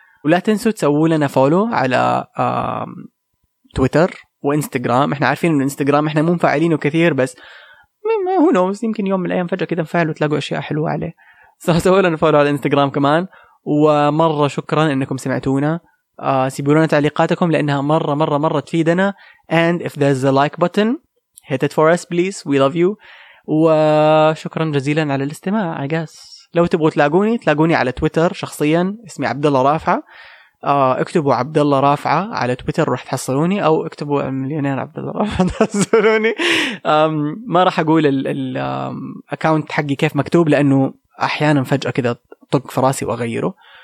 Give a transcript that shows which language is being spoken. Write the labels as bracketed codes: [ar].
[ar] ولا تنسوا تسووا لنا فولو على تويتر وإنستغرام. إحنا عارفين إن إنستغرام إحنا مو مفعلينه كثير، بس هو نوز يمكن يوم من الأيام فجأة كده نفعل وتلاقوا أشياء حلوة عليه. سووا لنا فولو على إنستغرام كمان، ومرة شكرا إنكم سمعتونا. سيبوا لنا تعليقاتكم لأنها مرة مرة مرة تفيدنا. [en] And if there's a like button, hit it for us please, we love you. [ar] وشكرا جزيلا على الاستماع. [en] I guess [ar] لو تبغوا تلاقوني تلاقوني على تويتر شخصيا، اسمي عبد الله رافعة. اكتبوا عبد الله رافعة على تويتر راح تحصلوني، أو اكتبوا مليونير عبد الله رافعة تحصلوني. ما راح أقول الأكاونت حقي كيف مكتوب لأنه أحيانا فجأة كده طق في راسي وأغيره.